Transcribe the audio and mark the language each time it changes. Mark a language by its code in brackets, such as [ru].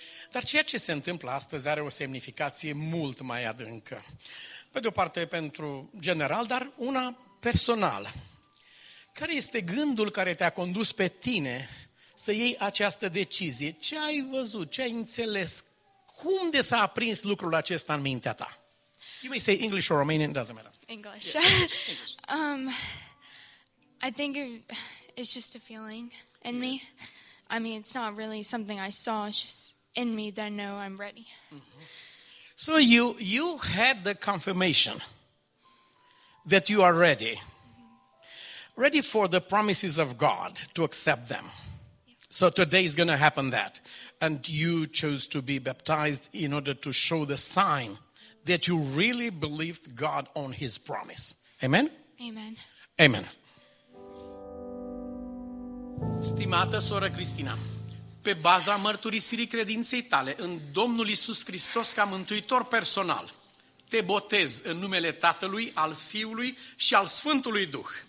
[ro] Dar ceea ce se întâmplă astăzi are o semnificație mult mai adâncă. Pe de o parte pentru general, dar una personală. Care este gândul care te-a condus pe tine să iei această decizie? Ce ai văzut, ce ai înțeles? Cum de s-a aprins lucrul acesta în mintea ta? [en] You may say English or Romanian, doesn't matter. English. Yeah, English. I think it's just a feeling in me. I mean, it's not really something I saw, it's just in me that I know I'm ready. So you had the confirmation that you are ready. Ready for the promises of God to accept them. So today is going to happen that. And you chose to be baptized in order to show the sign that you really believed God on his promise. Amen? Amen. Amen. [ro] Stimată soră Cristina, pe baza mărturisirii credinței tale în Domnul Iisus Hristos ca mântuitor personal, te botez în numele Tatălui, al Fiului și al Sfântului Duh.